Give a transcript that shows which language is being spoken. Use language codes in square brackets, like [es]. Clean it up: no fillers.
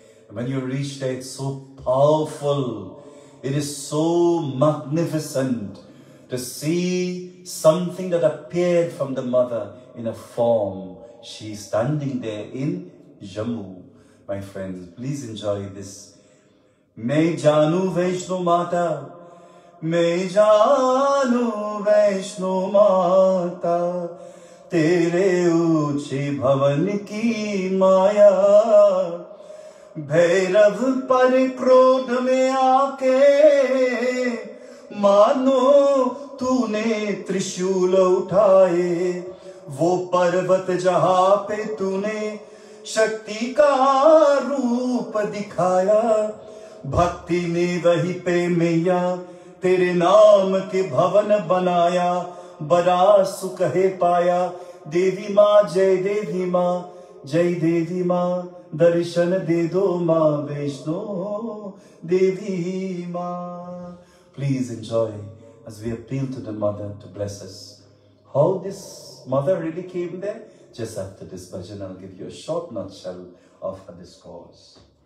[en] And when you reach there, it's so powerful. It is so magnificent to see something that appeared from the mother in a form. She's standing there in Jammu. My friends, please enjoy this. [hi] Main Janu Vaishno Mata, Main Janu Vaishno Mata, Tere Uche Bhavan Ki Maya, Bhairav Par Krodh Mein Aake, Mano Tune Trishul Uthaye, Wo Parvat Jahan Pe Tune शक्ति का रूप दिखाया भक्ति ने वही पे मैया तेरे नाम के भवन बनाया बड़ा सुख है पाया देवी माँ जय देवी माँ जय देवी माँ दर्शन दे दो माँ वैष्णो देवी माँ [en] Please enjoy as we appeal to the mother to bless us how this mother really came there. Just after this bhajan, I'll give you a short nutshell of her discourse.